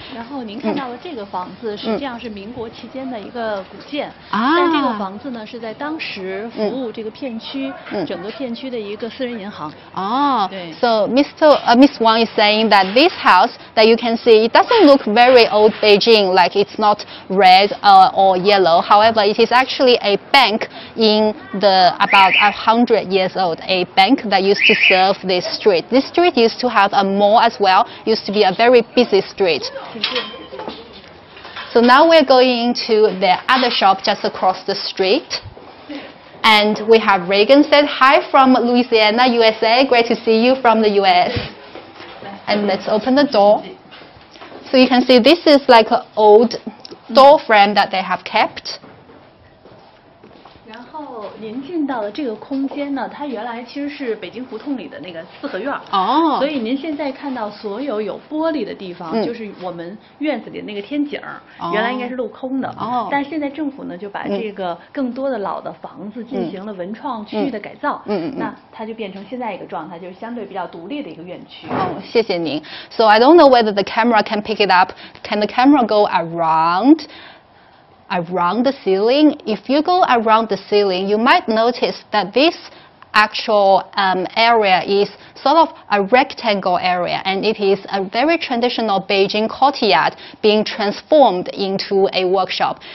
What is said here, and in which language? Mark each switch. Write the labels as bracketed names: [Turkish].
[Chinese] 然后您看到的这个房子实际上是民国期间的一个古建、但这个房子呢是在当时服务这个片区、整个片区的一个私人银行对 [English] So Miss Wang is saying that this house that you can see it doesn't look very old Beijing like it's not red or yellow however it is actually a bank in the about 100 years old a bank that used to serve this street this street used to have a mall as well used to be a very busy street so now we're going to the other shop just across the streetAnd we have Reagan said, hi from Louisiana, USA. Great to see you from the US. And let's open the door. So you can see this is like an old door frame that they have kept. [Chinese] 您进到了这个空间呢它原来其实是北京胡同里的那个四合院所以您现在看到所有有玻璃的地方就是我们院子里的那个天井原来应该是镂空的但现在政府呢就把这个更多的老的房子进行了文创区域的改造那它就变成现在一个状态就是相对比较独立的一个院区谢谢您 [English] So I don't know whether the camera can pick it up Can the camera go aroundaround the ceiling. If you go around the ceiling, you might notice that this actual area is sort of a rectangle area and it is a very traditional Beijing courtyard being transformed into a workshop.